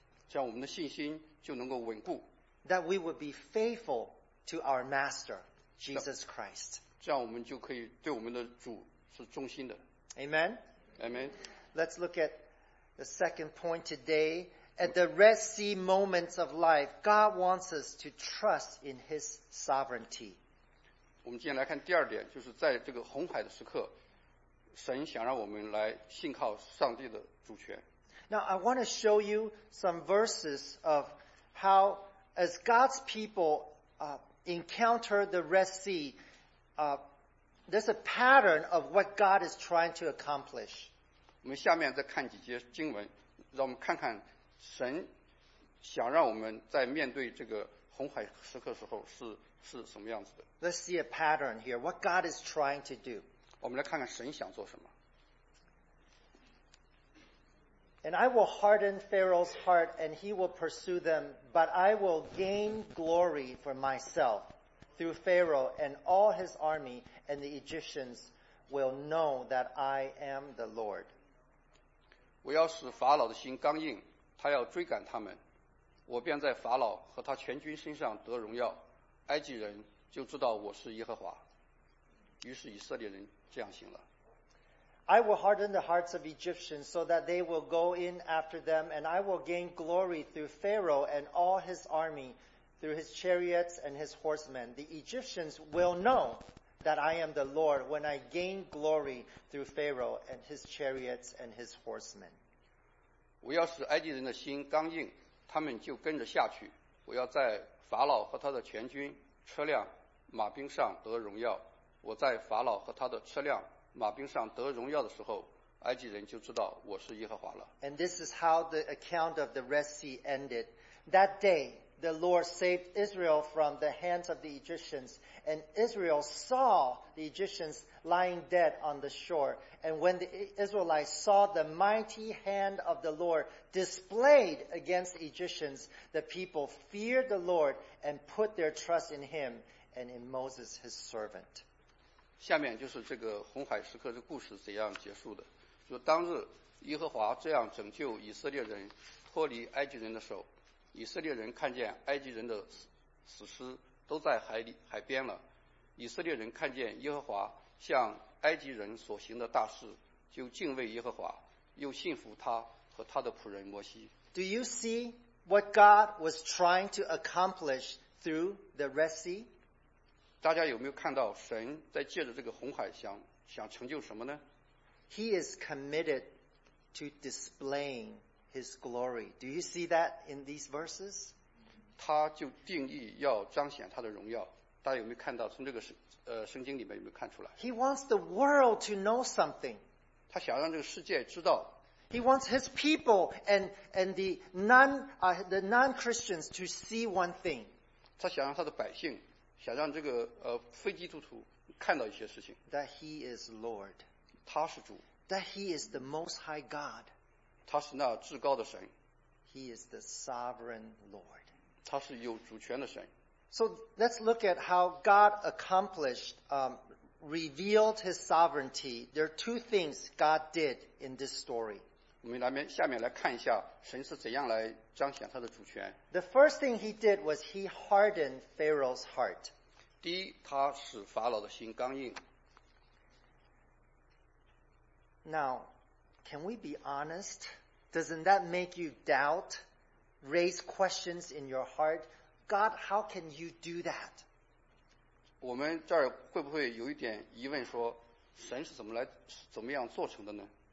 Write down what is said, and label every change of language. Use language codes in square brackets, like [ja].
[zh] 这样我们的信心就能够稳固。 [en] That we would be faithful to our master, Jesus Christ. [zh] 这样我们就可以对我们的主是忠心的。 [en] Amen? Amen. Let's look at the second point today. At the Red Sea moments of life, God wants us to trust in his sovereignty. [zh] 我们今天来看第二点，就是在这个红海的时刻，神想让我们来信靠上帝的主权。 [en] Now, I want to show you some verses of how as God's people encounter the Red Sea, there's a pattern of what God is trying to accomplish. [zh] 我们下面再看几节经文，让我们看看神想让我们在面对这个红海时刻时候是什么样子的。 [en] Let's see a pattern here, what God is trying to do. [zh] 我们来看看神想做什么。 [en] And I will harden Pharaoh's heart, and he will pursue them, but I will gain glory for myself through Pharaoh and all his army, and the Egyptians will know that I am the Lord. [zh] 我要使法老的心刚硬，他要追赶他们，我便在法老和他全军身上得荣耀，埃及人就知道我是耶和华。于是以色列人这样行了。 [en] I will harden the hearts of Egyptians so that they will go in after them, and I will gain glory through Pharaoh and all his army, through his chariots and his horsemen. The Egyptians will know that I am the Lord when I gain glory through Pharaoh and his chariots and his horsemen. [zh] 我要使埃及人的心刚硬，他们就跟着下去。我要在法老和他的全军、车辆、马兵上得荣耀。我在法老和他的车辆马兵上得荣耀的时候，埃及人就知道我是耶和华了。 [en] And this is how the account of the Red Sea ended. That day, the Lord saved Israel from the hands of the Egyptians, and Israel saw the Egyptians lying dead on the shore. And when the Israelites saw the mighty hand of the Lord displayed against Egyptians, the people feared the Lord and put their trust in him and in Moses, his servant. [zh] 下面就是这个红海时刻的故事怎样结束的。说当日耶和华这样拯救以色列人脱离埃及人的手，以色列人看见埃及人的死尸都在海边了，以色列人看见耶和华向埃及人所行的大事，就敬畏耶和华，又信服他和他的仆人摩西。 [en] Do you see what God was trying to accomplish through the Red Sea? [zh] 大家有没有看到神在借着这个红海想成就什么呢？ [en] He is committed to displaying his glory. Do you see that in these verses? [zh] 他就定义要彰显他的荣耀。大家有没有看到从这个圣经里面有没有看出来？ [en] He wants the world to know something. [zh] 他想让这个世界知道。 [en] He wants his people and the non-Christians to see one thing. [zh] 他想让他的百姓，想让这个非基督徒看到一些事情。 [en] That he is Lord. [zh] 他是主。 [en] That he is the Most High God. [zh] 他是那至高的神。 [en] He is the Sovereign Lord. [zh] 他是有主权的神。 [en] So let's look at how God accomplished, revealed his sovereignty. There are two things God did in this story. [zh] 我们来面下面来看一下神是怎样来彰显他的主权。 [en] The first thing he did was he hardened Pharaoh's heart. [zh] 第一，他使法老的心刚硬。 [en] Now, can we be honest? Doesn't that make you doubt, raise questions in your heart? God, how can you do that? [zh] 我们这儿会不会有一点疑问说，神是怎么来，怎么样做成的呢？